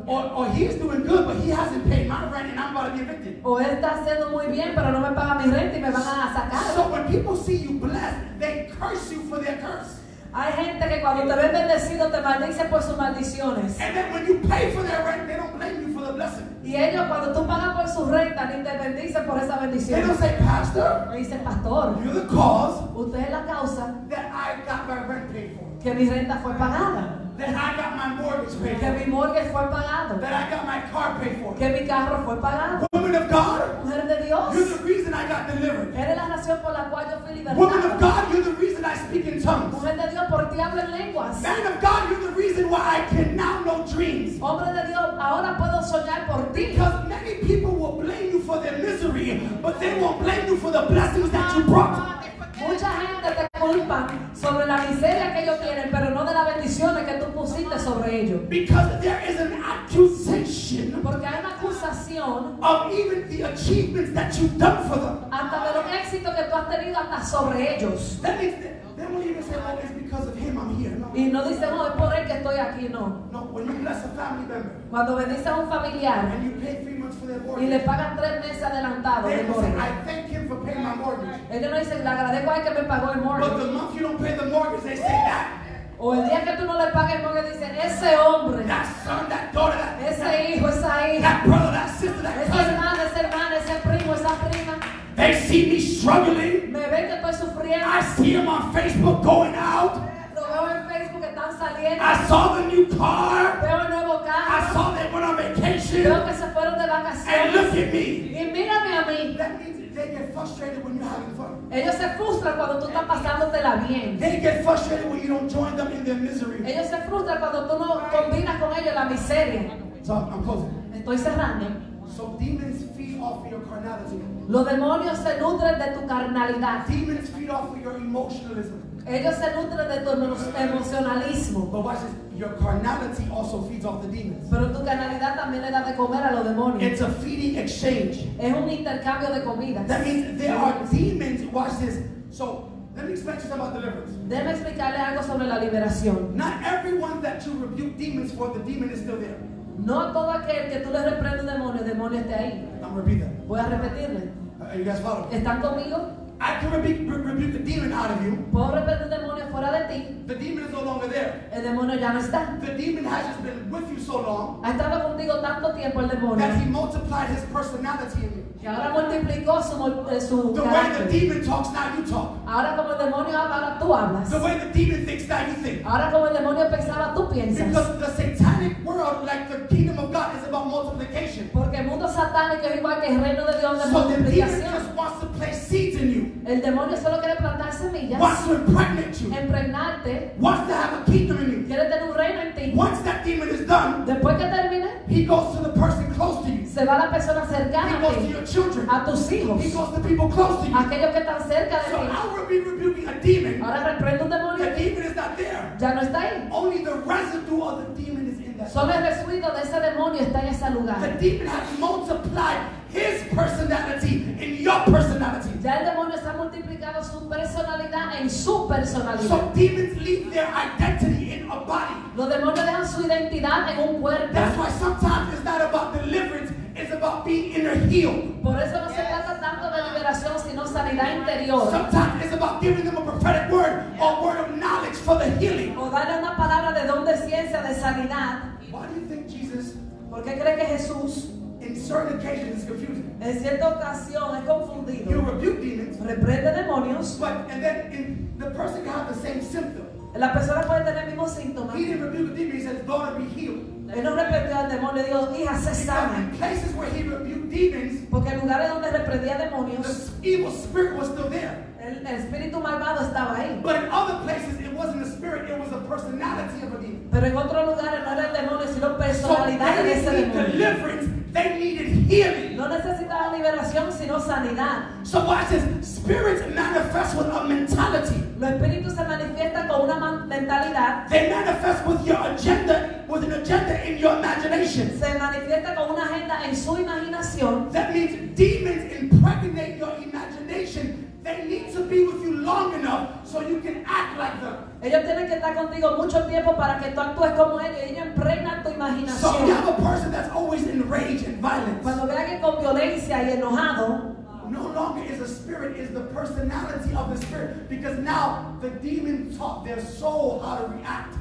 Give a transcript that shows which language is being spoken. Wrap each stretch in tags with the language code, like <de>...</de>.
<en>Or he's doing good, but he hasn't paid my rent and I'm about to be evicted.</en> <es>O él está haciendo muy bien, pero no me paga mi renta y me van a sacar.</es> <en>So when people see you blessed, they curse you for their curse.</en> <es>Hay gente que cuando te ven bendecido te maldice por sus maldiciones.</es> <en>And then when you pay for their rent, they don't blame you for the blessing.</en> <es>Y ellos cuando tú pagas por su renta ni te bendicen por esa bendición.</es> <en>They don't say, Pastor.</en> <es>Me dicen, Pastor.</es> <en>You're the cause.</en> <es>Usted es la causa.</es> <en>That I got my rent paid for.</en> <es>Que mi renta fue pagada.</es> <en>That I got my mortgage paid for.</en> <es>Que mi mortgage fue pagado.</es> <en>That I got my car paid for.</en> <es>Que mi carro fue pagado.</es> <en>Woman of God.</en> <es>Mujer de Dios.</es> <en>You're the reason I got delivered.</en> <es>Eres la razón por la cual yo fui libertado.</es> <en>Woman of God, you're the reason I speak in tongues.</en> <es>Mujer de Dios, por ti hablo en lenguas.</es> <en>Man of God, you're the reason why I can now know dreams.</en> <es>Hombre de Dios, ahora puedo soñar por ti.</es> <en>Because many people will blame you for their misery, but they won't blame you for the blessings that you brought.</en> <es>Mucha gente te culpa sobre la miseria que ellos tienen, pero no de las bendiciones que tú pusiste sobre ellos.</es> <en>Because there is an accusation.</en> <es>Porque hay una acusación.</es> <en>Of even the achievements that you've done for them.</en> <es>Hasta de los éxitos que tú has tenido hasta sobre ellos.</es> <en>That means they won't even say, "Oh, it's because of him I'm here."</en> <es>No. Y no dicen, "No, es por él que estoy aquí." No.</es> <en>No. When you bless a family member.</en> <es>Cuando bendices a un familiar.</es> <en>And you pay 3 months for their mortgage.</en> <es>Y le pagas 3 meses adelantado.</es> <en>They don't say, "I thank him for paying my mortgage."</en> <es>Ellos no dicen, "Le agradezco a él que me pagó el mortgage."</es> <en>But the month you don't pay the mortgage, they say that.</en> <es>O el día que tú no le pagues, porque dicen, ese hombre, ese hijo, esa hija, ese hermano, ese hermano, ese primo, esa prima.</es> <en>They see me struggling.</en> <es>Me ven que estoy sufriendo.</es> <en>I see them on Facebook going out.</en> <es>Lo veo en Facebook que están saliendo.</es> <en>I saw the new car.</en> <es>Veo el nuevo carro.</es> <en>I saw they went on vacation.</en> <es>Veo que se fueron de vacaciones.</es> <en>And look at me.</en> <es>Y mírame a mí.</es> <en>They get frustrated when you're having fun.</en> <es>Ellos se frustran cuando tú estás pasándotela bien.</es> <en>They get frustrated when you don't join them in their misery.</en> <es>Ellos se frustran cuando tú no combinas con ellos la miseria.</es> <en>So I'm closing.</en> <es>Estoy cerrando.</es> <en>So demons feed off of your carnality.</en> <es>Los demonios se nutren de tu carnalidad.</es> <en>Demons feed off of your emotionalism.</en> <es>Ellos se nutren de tu emocionalismo.</es> <en>But watch this. Your carnality also feeds off the demons.</en> <es>Pero tu carnalidad también le da de comer a los demonios.</es> <en>It's a feeding exchange.</en> <es>Es un intercambio de comida.</es> <en>That means there are demons. Watch this. So let me explain something about deliverance.</en> <es>Déjame explicarle algo sobre la liberación.</es> <en>Not everyone that you rebuke demons for, the demon is still there.</en> <es>No todo aquel que tú le reprendes un demonio, el demonio está ahí.</es> <en>I'm repeating.</en> <es>Voy a repetirle.</es> <en>Are you guys following?</en> <es>¿Están conmigo?</es> <en>I can rebuke the demon out of you.</en> <es>Puedo reprender un demonio fuera de ti.</es> <en>The demon is no longer there.</en> <es>El demonio ya no está.</es> <en>The demon has just been with you so long.</en> <es>Ha estado contigo tanto tiempo el demonio.</es> <en>That he multiplied his personality in you.</en> <es>Y ahora multiplicó su</es> <en>the</en> <es>carácter.</es> <en>Way the demon talks, now you talk.</en> <es>Ahora como el demonio habla, tú hablas.</es> <en>The way the demon thinks, now you think.</en> <es>Ahora como el demonio pensaba, tú piensas.</es> <en>Because the satanic world, like the kingdom of God, is about multiplication.</en> <es>Porque el mundo satánico es igual que el reino de Dios de</es> <en>so</en> <es>multiplicación.</es> <en>The demon just wants to place seeds in you.</en> <es>El demonio solo quiere plantar semillas.</es> <en>Wants to impregnate you.</en> <es>Empregnarte.</es> <en>Wants to have a kingdom in you.</en> <es>Quiere tener un reino en ti.</es> <en>Once that demon is done,</en> <es>después que termine,</es> <en>he goes to the person close to you.</en> <es>Se va a la persona cercana</es> <en>he</en> <es>a ti.</es> <en>Goes to your children.</en> <es>A tus hijos.</es> <en>He goes to people close to you.</en> <es>Aquellos que están cerca de</es> <en>so</en> <es>ti.</es> <en>So I will be rebuking a demon.</en> <es>Ahora reprendo un demonio.</es> <en>The demon is not there.</en> <es>Ya no está ahí.</es> <en>Only the residue of the demon is in that.</en> <es>Solo el residuo de ese demonio está en ese lugar.</es> <en>The demon has multiplied his personality in your personality.</en> <es>Ya el demonio está multiplicando su personalidad en su personalidad.</es> <en>So demons leave their identity in a body.</en> <es>Los demonios dejan su identidad en un cuerpo.</es> <en>That's why sometimes it's not about deliverance, it's about being inner healed.</en> <es>Por eso no se trata tanto de liberación, sino sanidad interior.</es> <en>Sometimes it's about giving them a prophetic word or a word of knowledge for the healing.</en> <es>O darle una palabra de don de ciencia, de sanidad.</es> <en>Why do you think Jesus</en> <es>¿Por qué cree que Jesús?</es> <en>In certain occasions, it's confusing.</en> <es>En cierta ocasión es confundido.</es> <en>He'll rebuke demons.</en> <es>Reprende demonios.</es> <en>But and then in the person can have the same symptom.</en> <es>La persona puede tener el mismo síntoma.</es> <en>He didn't rebuke the demon. He says, "Daughter, be healed."</en> <es>Él no reprendió al demonio, le dijo, hija, sé sana.</es> <en>Places where he rebuked demons,</en> <es>porque en lugares donde reprendía demonios,</es> <en>the evil spirit was still there.</en> <es>El espíritu malvado estaba ahí.</es> <en>But in other places, it wasn't the spirit, it was the personality of a demon.</en> <es>Pero en otro lugar, no era el demonio, sino personalidad de ese</es> <en>demonio. So they didn't need deliverance, they needed healing.</en> <es>No necesitaba liberación, sino sanidad.</es> <en>So watch this, spirits manifest with a mentality.</en> <es>Los espíritus se manifiestan con una mentalidad.</es> <en>They manifest with your agenda, with an agenda in your imagination.</en> <es>Se manifiesta con una agenda en su imaginación.</es> <en>That means demons impregnate your imagination. They need to be with you long enough so you can act like them.</en> <es>Ellos tienen que estar contigo mucho tiempo para que tú actúes como ellos. Ellos impregnan tu imaginación.</es> <en>So you have a person that's always enraged and violent.</en> <es>Cuando ve a alguien con violencia y enojado.</es> <en>No longer is a spirit, is the personality of the spirit, because now the demon taught their soul how to react.</en>